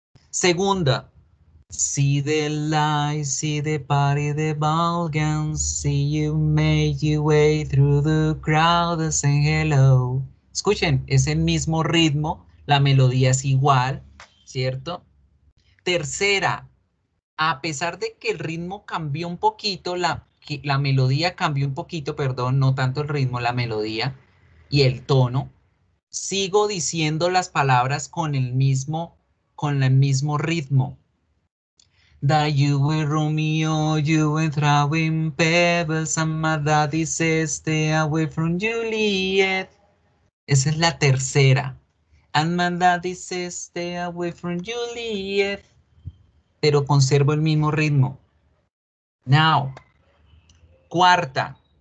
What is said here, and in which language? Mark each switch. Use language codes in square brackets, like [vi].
[en] Segunda, see the light, see the party, the ball game, see you make your way through the crowd, say hello. [es] Escuchen, es el mismo ritmo, la melodía es igual, ¿cierto? Tercera, a pesar de que el ritmo cambió un poquito, la melodía cambió un poquito, perdón, no tanto el ritmo, la melodía y el tono, sigo diciendo las palabras con el mismo ritmo. [en] That you were Romeo, you were throwing pebbles, and my daddy says stay away from Juliet. [es] Esa es la tercera. [en] And my daddy says stay away from Juliet. [es] Pero conservo el mismo ritmo. Now, cuarta.